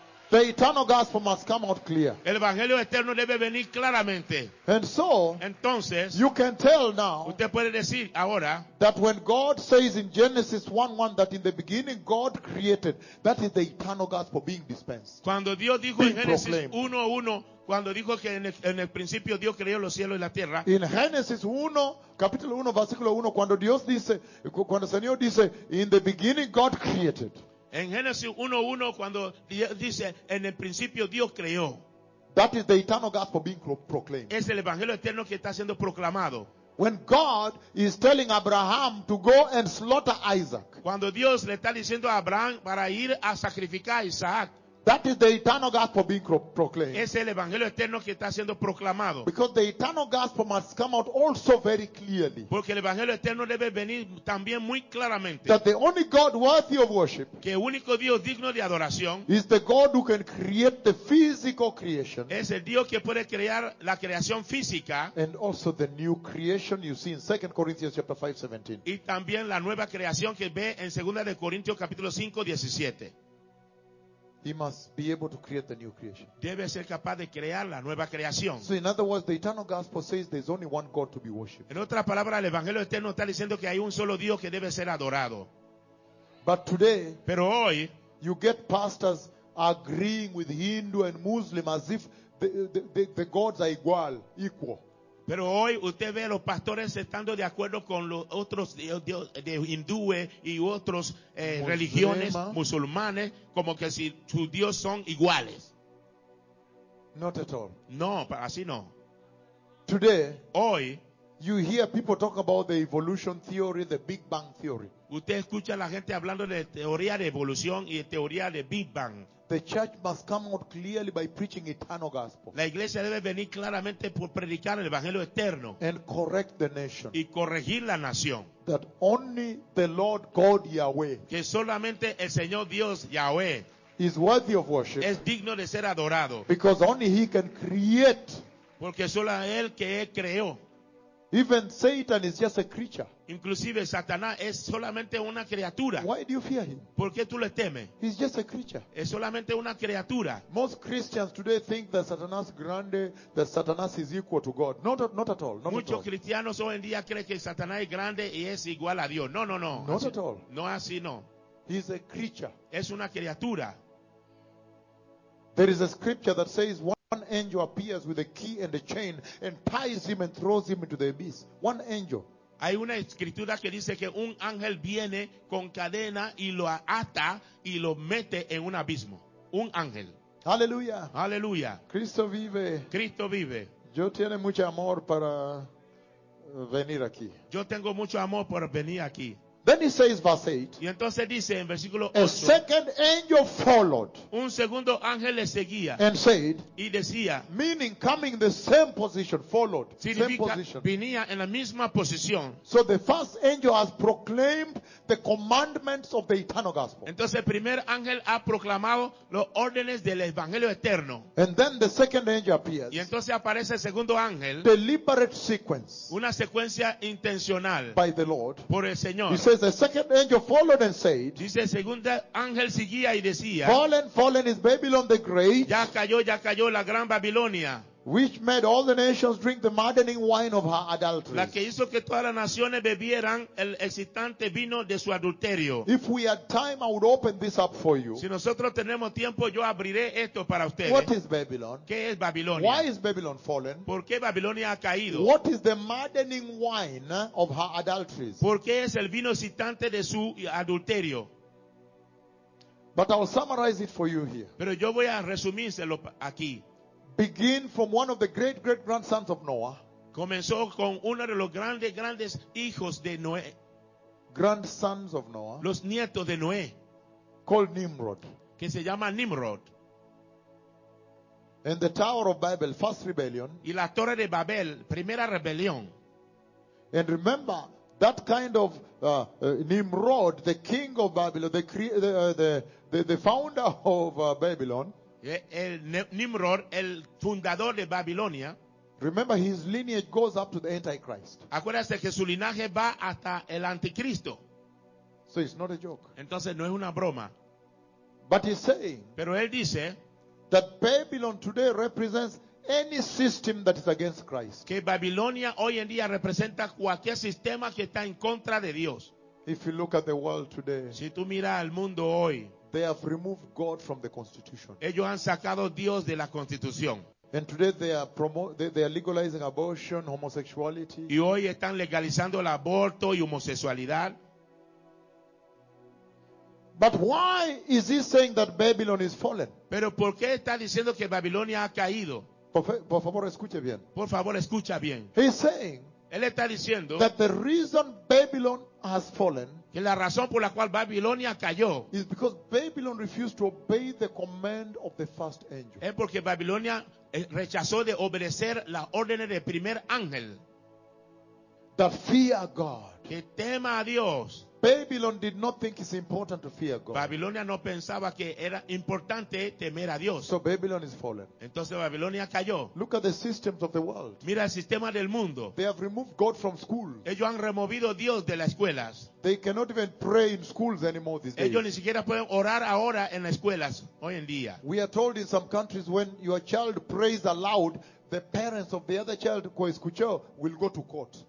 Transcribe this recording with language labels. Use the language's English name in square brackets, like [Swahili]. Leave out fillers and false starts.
[English] The eternal gospel must come out clear. [Spanish] El evangelio eterno debe venir claramente. [English] And so, [Spanish] entonces, [English] you can tell now, [Spanish] usted puede decir ahora, [English] that when God says in Genesis 1:1 that in the beginning God created, that is the eternal gospel being dispensed. [Spanish] Cuando Dios dijo en Génesis 1:1, cuando dijo que en el principio Dios creó los cielos y la tierra. [English] In Genesis 1, [Spanish] capítulo 1, versículo 1, cuando Dios dice, cuando el Señor dice, [English] in the beginning God created. [Spanish] En Génesis 1:1, cuando Dios dice, en el principio Dios creó. [English] That is the eternal gospel being proclaimed. [Spanish] Es el evangelio eterno que está siendo proclamado. [English] When God is telling Abraham to go and slaughter Isaac. [Spanish] Cuando Dios le está diciendo a Abraham para ir a sacrificar a Isaac. [English] That is the eternal gospel being proclaimed. [Spanish] Es el evangelio eterno que está siendo proclamado. [English] Because the eternal gospel must come out also very clearly. [Spanish] Porque el evangelio eterno debe venir también muy claramente. [English] That the only God worthy of worship. [Spanish] Que el único Dios digno de adoración. [English] Is the God who can create the physical creation. [Spanish] Es el Dios que puede crear la creación física. [English] And also the new creation you see in 2 Corinthians chapter 5:17. [Spanish] Y también la nueva creación que ve en 2 de Corintios capítulo 5:17. [English] He must be able to create the new creation. [Spanish] Debe ser capaz de crear la nueva creación. [English] So in other words, the eternal gospel says there's only one God to be worshipped. [Spanish] En otra palabra, el evangelio eterno está diciendo que hay un solo Dios que debe ser adorado. [English] But today, [Spanish] pero hoy, [English] you get pastors agreeing with Hindu and Muslim as if the gods are equal. [Spanish] Pero hoy usted ve a los pastores estando de acuerdo con los otros de hindúes y otras religiones musulmanes como que si sus dios son iguales. [English] Not at all. [Spanish] No, así no. [English] Today, [Spanish] hoy, [English] you hear people talk about the evolution theory, the Big Bang theory. [Spanish] Usted escucha a la gente hablando de teoría de evolución y de teoría de Big Bang. [English] The church must come out clearly by preaching eternal gospel. [Spanish] La iglesia debe venir claramente por predicar el evangelio eterno. [English] And correct the nation. [Spanish] Y corregir la nación. [English] That only the Lord God Yahweh. [Spanish] Que solamente el Señor Dios Yahweh. [English] Is worthy of worship. [Spanish] Es digno de ser adorado. [English] Because only He can create. [Spanish] Porque solo Él que creó. [English] Even Satan is just a creature. [Spanish] Inclusive Satanás es solamente una criatura. [English] Why do you fear him? [Spanish] ¿Por qué tú le temes? [English] He's just a creature. [Spanish] Es solamente una criatura. [English] Most Christians today think that [Spanish] Satanás grande, [English] that Satanás is equal to God. Not at all. [Spanish] Muchos cristianos hoy en día creen que Satanás es grande y es igual a Dios. No. [English] Not at all. [Spanish] No así no. [English] He's a creature. [Spanish] Es una criatura. [English] There is a scripture that says one angel appears with a key and a chain and ties him and throws him into the abyss. One angel. [Spanish] Hay una escritura que dice que un ángel viene con cadena y lo ata y lo mete en un abismo. Un ángel. Aleluya. Aleluya. Cristo vive. Cristo vive. Yo tengo mucho amor para venir aquí. Yo tengo mucho amor por venir aquí. [English] Then he says verse 8. [Spanish] Y entonces dice en versículo 8. [English] A second angel followed. [Spanish] Un segundo ángel le seguía. [English] And said. [Spanish] Y decía. [English] Meaning coming in the same position, followed. [Spanish] Significa [English] same position. [Spanish] Venía en la misma posición. [English] So the first angel has proclaimed the commandments of the eternal gospel. [Spanish] Entonces el primer ángel ha proclamado los órdenes del evangelio eterno. [English] And then the second angel appears. [Spanish] Y entonces aparece el segundo ángel. [English] Deliberate sequence. [Spanish] Una secuencia intencional. [English] By the Lord. [Spanish] Por el Señor. [English] He says the second angel followed and said. [Spanish] Dice el segundo ángel seguía y decía. [English] Fallen is Babylon the great. [Spanish] Ya cayó la gran Babilonia. [English] Which made all the nations drink the maddening wine of her adultery. [Spanish] La que hizo que todas las naciones bebieran el excitante vino de su adulterio. [English] If we had time, I would open this up for you. [Spanish] Si nosotros tenemos tiempo, yo abriré esto para ustedes. [English] What is Babylon? [Spanish] ¿Qué es Babilonia? [English] Why is Babylon fallen? [Spanish] ¿Por qué Babilonia ha caído? [English] What is the maddening wine of her adulteries? [Spanish] ¿Por qué es el vino excitante de su adulterio? [English] But I'll summarize it for you here. [Spanish] Pero yo voy a resumírselo aquí. [English] Begin from one of the great grandsons of Noah. [Spanish] Comenzó con uno de los grandes hijos de Noé. [English] Grandsons of Noah. [Spanish] Los nietos de Noé. [English] Called Nimrod. [Spanish] Que se llama Nimrod. [English] And the Tower of Babel, first rebellion. [Spanish] Y la Torre de Babel, primera rebelión. [English] And remember that kind of Nimrod, the king of Babylon, the founder of Babylon. [Spanish] El Nimrod, el fundador de Babilonia. [English] Remember, his lineage goes up to the Antichrist. [Spanish] Acuérdese que su linaje va hasta el anticristo. [English] So it's not a joke. [Spanish] Entonces no es una broma. [English] But he's saying. [Spanish] Pero él dice. [English] That Babylon today represents any system that is against Christ. [Spanish] Que Babilonia hoy en día representa cualquier sistema que está en contra de Dios. [English] If you look at the world today, [Spanish] si tú miras al mundo hoy, [English] they have removed God from the constitution. [Spanish] Ellos han sacado Dios de la constitución. [English] And today they are legalizing abortion, homosexuality. [Spanish] Y hoy están legalizando el aborto y homosexualidad. [English] But why is he saying that Babylon is fallen? [Spanish] Pero ¿por qué está diciendo que Babilonia ha caído? Por favor, escuche bien. Por favor, escucha bien. [English] He's saying, [Spanish] él está diciendo, [English] that the reason Babylon has fallen, [Spanish] que la razón por la cual Babilonia cayó, [English] is because Babylon refused to obey the command of the first angel. [Spanish] Es porque Babilonia rechazó de obedecer la orden del primer ángel. [English] That fear God. [Spanish] Que tema a Dios. [English] Babylon did not think it's important to fear God. [Spanish] Babilonia no pensaba que era importante temer a Dios. [English] So Babylon is fallen. [Spanish] Entonces Babilonia cayó. [English] Look at the systems of the world. [Spanish] Mira el sistema del mundo. [English] They have removed God from school. [Spanish] Ellos han removido Dios de las escuelas. [English] They cannot even pray in schools anymore these days. [Spanish] Ellos ni siquiera pueden orar ahora en las escuelas hoy en día. [English] We are told in some countries when your child prays aloud, the parents of the other child who [Spanish] escuchó [English] will go to court.